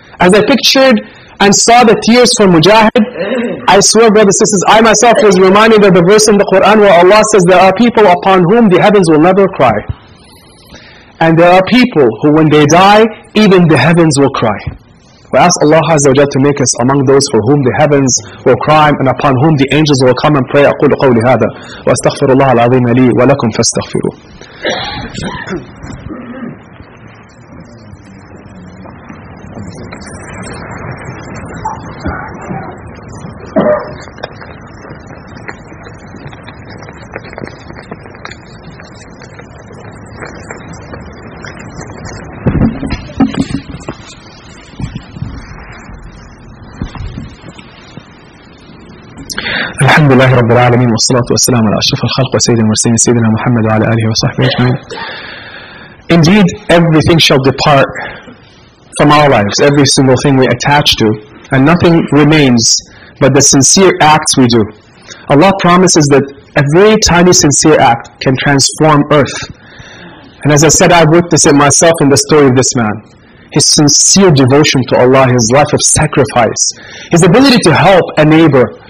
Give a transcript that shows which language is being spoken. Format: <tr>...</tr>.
<en>As I pictured and saw the tears from Mujahid, I swear, brothers and sisters, I myself was reminded of the verse in the Quran where Allah says, "There are people upon whom the heavens will never cry. And there are people who, when they die, even the heavens will cry." We ask Allah Azza wa Jalla to make us among those for whom the heavens will cry and upon whom the angels will come and pray.</en> <ar>أقول قولي هذا وأستغفر الله العظيم لي ولكم فاستغفروا. الحمد لله رب العالمين والصلاة والسلام على أشرف الخلق وسيد المرسلين سيدنا محمد وعلى آله وصحبه أجمعين.</ar> <en>Indeed, everything shall depart from our lives, every single thing we attach to, and nothing remains but the sincere acts we do. Allah promises that a very tiny sincere act can transform earth. And as I said, I've witnessed it myself in the story of this man. His sincere devotion to Allah, his life of sacrifice, his ability to help a neighbor.</en>